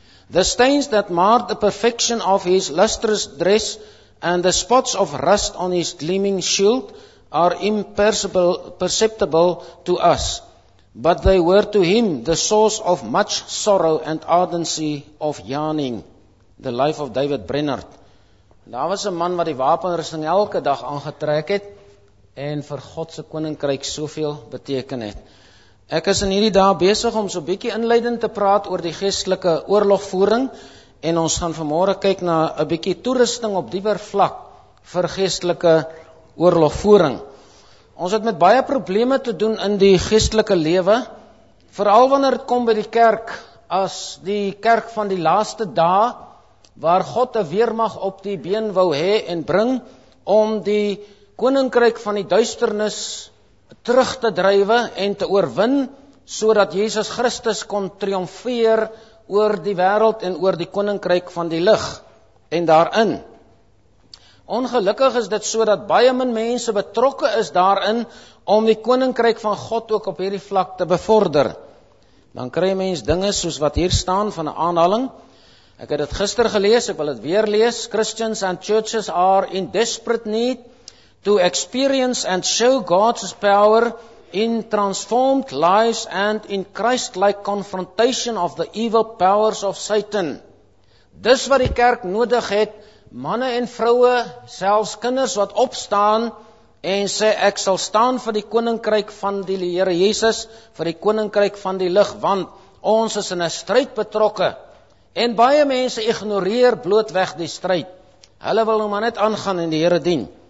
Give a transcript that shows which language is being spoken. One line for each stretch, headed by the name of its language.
English: The stains that marred the perfection of his lustrous dress and the spots of rust on his gleaming shield are imperceptible to us. but they were to him the source of much sorrow and ardency of yearning. The life of David Brainerd.
Afrikaans: Daar was 'n man wat die wapenrusting elke dag aangetrek het en vir God se koninkryk soveel beteken het. Ek is in hierdie dag besig om so 'n bietjie inleiding te praat oor die geestelike oorlogvoering en ons gaan vanmôre kyk na 'n bietjie toerusting op dieper vlak vir geestelike oorlogvoering. Ons het met baie probleme te doen in die geestelike lewe, veral wanneer dit kom by die kerk as die kerk van die laaste dae waar God 'n weermag op die been wou hê en bring om die koninkryk van die duisternis terug te drywe en te oorwin sodat Jesus Christus kon triomfeer oor die wêreld en oor die koninkryk van die lig en daarin. Ongelukkig is dit sodat baie min mense betrokke is daarin om die koninkryk van God ook op hierdie vlak te bevorder. Dan kry mens dinge soos wat hier staan van 'n aanhaling. Ek het dit gister gelees, ek wil dit weer lees.
English: Christians and churches are in desperate need to experience and show God's power in transformed lives and in Christ-like confrontation of the evil powers of Satan.
Afrikaans: Dis wat die kerk nodig het, manne en vroue, selfs kinders wat opstaan en sê ek sal staan vir die koninkryk van die Here Jesus, vir die koninkryk van die lig, want ons is in 'n stryd betrokke. En baie mense ignoreer blootweg die stryd. Hulle wil nou maar net aangaan en die Here dien.